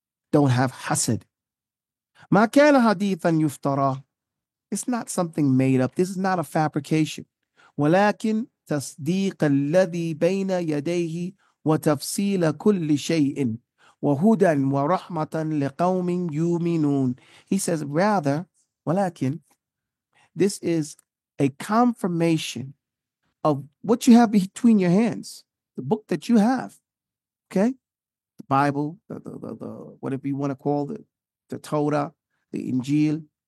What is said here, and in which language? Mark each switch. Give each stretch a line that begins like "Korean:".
English: Don't have hasad.
Arabic: ما كان حديثا يفترى.
English: It's not something made up. This is not a fabrication.
Arabic: ولكن تصديق الذي بين يديه وتفصيل كل شيء وهدى ورحمة لقوم يؤمنون.
English: He says, rather, ولكن, this is a confirmation of what you have between your hands, the book that you have, okay? The Bible, the whatever you want to call it, the Torah, the Injil.